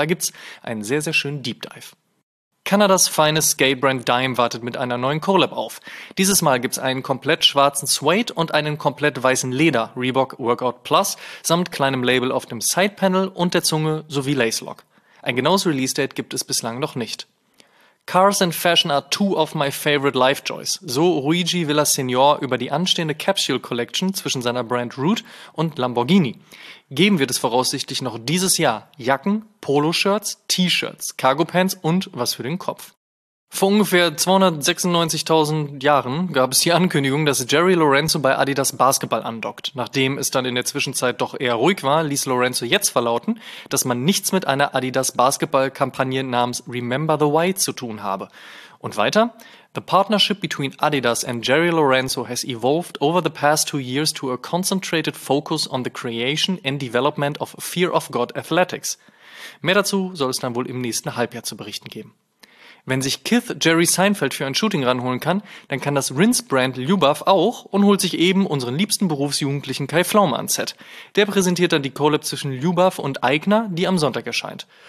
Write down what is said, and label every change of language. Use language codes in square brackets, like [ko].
[de] Da gibt's einen sehr, sehr schönen Deep Dive. Kanadas feines Skatebrand Dime wartet mit einer neuen Collab auf. Dieses Mal gibt's einen komplett schwarzen Suede und einen komplett weißen Leder Reebok Workout Plus samt kleinem Label auf dem Sidepanel und der Zunge sowie Lace Lock. Ein genaues Release-Date gibt es bislang noch nicht. [en] Cars and Fashion are two of my favorite life joys. [de] So Luigi Villasenor über die anstehende Capsule Collection zwischen seiner Brand Root und Lamborghini. Geben wird es voraussichtlich noch dieses Jahr Jacken, Poloshirts, T-Shirts, Cargo-Pants und was für den Kopf. Vor ungefähr 296.000 Jahren gab es die Ankündigung, dass Jerry Lorenzo bei Adidas Basketball andockt. Nachdem es dann in der Zwischenzeit doch eher ruhig war, ließ Lorenzo jetzt verlauten, dass man nichts mit einer Adidas Basketball-Kampagne namens Remember the Why zu tun habe. Und weiter? [en] The partnership between Adidas and Jerry Lorenzo has evolved over the past 2 years to a concentrated focus on the creation and development of Fear of God Athletics. [de] Mehr dazu soll es dann wohl im nächsten Halbjahr zu berichten geben. Wenn sich Kith Jerry Seinfeld für ein Shooting ranholen kann, dann kann das Rinse-Brand Lubav auch und holt sich eben unseren liebsten Berufsjugendlichen Kai Pflaume ans Set. Der präsentiert dann die Collab zwischen Lubav und Aigner, die am Sonntag erscheint.